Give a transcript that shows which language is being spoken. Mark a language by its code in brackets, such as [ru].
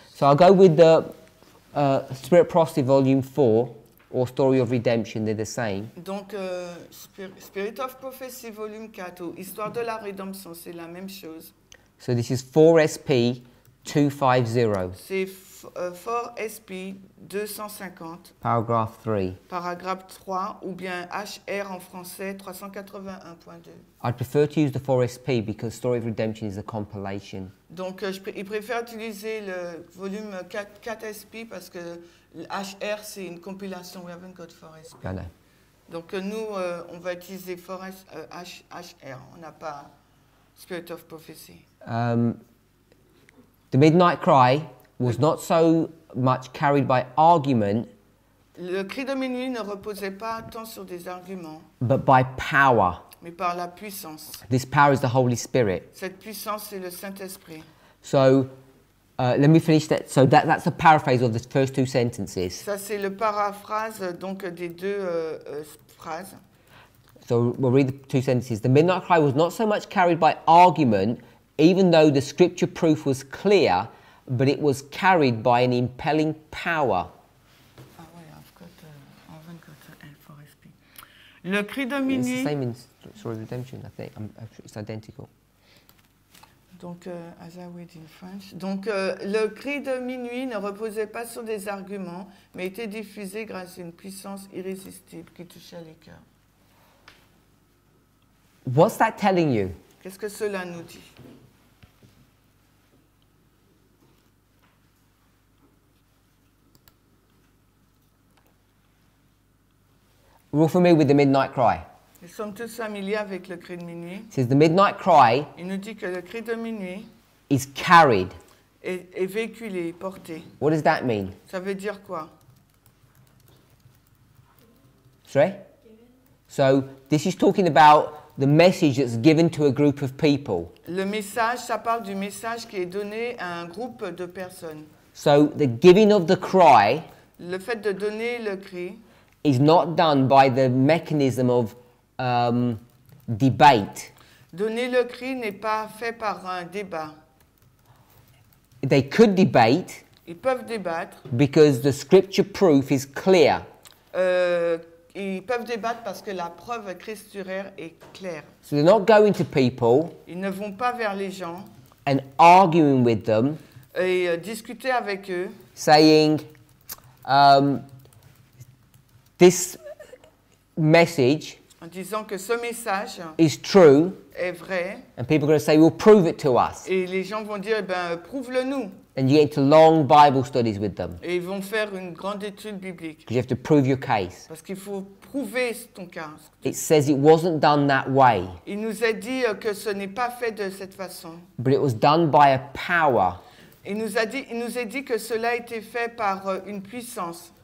[en] So I'll go with the Spirit of Prophecy, Volume 4, or Story of Redemption. They're the same. [fr] Donc Spirit of Prophecy, Volume 4, ou Histoire de la Rédemption, c'est la même chose. [en] So this is 4SP250. [fr] C'est 4SP250. [en] Paragraph 3. [fr] Paragraph 3, ou bien HR en français, 381.2. [en] I'd prefer to use the 4SP because Story of Redemption is a compilation. [fr] Donc, il préfère utiliser le volume 4SP parce que HR, c'est une compilation. [en] We haven't got 4SP. Yeah, no. [fr] Donc, nous, on va utiliser 4HR. On n'a pas Spirit of Prophecy. [en] The Midnight Cry was not so much carried by argument. [fr] Le cri de minuit ne reposait pas tant sur des arguments. [en] But by power. [fr] Mais par la puissance. [en] This power is the Holy Spirit. [fr] Cette puissance c'est le Saint-Esprit. [en] So, let me finish that. So that's a paraphrase of the first two sentences. [fr] Ça c'est le paraphrase donc des deux phrases. [en] So we'll read the two sentences. The Midnight Cry was not so much carried by argument, even though the scripture proof was clear, but it was carried by an impelling power. [fr] Ah ouais, [en] I've got L4SP. [fr] Le cri de minuit. [en] It's the same in Story of Redemption, I think. It's identical. [fr] Donc, [en] as I read in French. [fr] Donc, le cri de minuit ne reposait pas sur des arguments, mais était diffusé grâce à une puissance irrésistible qui touchait les cœurs. [en] What's that telling you? [fr] Qu'est-ce que cela nous dit? [en] We're all familiar with the Midnight Cry. [fr] Nous sommes tous familiers avec le cri de minuit. [en] It says the Midnight Cry. [fr] Il nous dit que le cri de minuit [en] is carried. [fr] Est véhiculé, porté. [en] What does that mean? [fr] Ça veut dire quoi? [en] Sorry? So this is talking about the message that's given to a group of people. [fr] Le message, ça parle du message qui est donné à un groupe de personnes. [en] So the giving of the cry. [fr] Le fait de donner le cri. [en] Is not done by the mechanism of debate. [fr] Donner le cri n'est pas fait par un débat. [en] They could debate. [fr] Ils peuvent débattre. [en] Because the scripture proof is clear. [fr] Ils peuvent débattre parce que la preuve écriturière est claire. [en] So they're not going to people. [fr] Ils ne vont pas vers les gens. [en] And arguing with them. [fr] Et discuter avec eux. [en] Saying, this message, [fr] en disant que ce message [en] is true, [fr] est vrai, [en] and people are going to say, well, prove it to us. [fr] Et les gens vont dire, eh ben, prouve-le-nous. [en] And you get into long Bible studies with them. [fr] Et ils vont faire une grande étude biblique. [en] Because you have to prove your case. [fr] Parce qu'il faut prouver ton cas. [en] It says it wasn't done that way. [fr] Il nous a dit que ce n'est pas fait de cette façon. [en] But it was done by a power. [fr] Il nous a dit que cela a été fait par une puissance.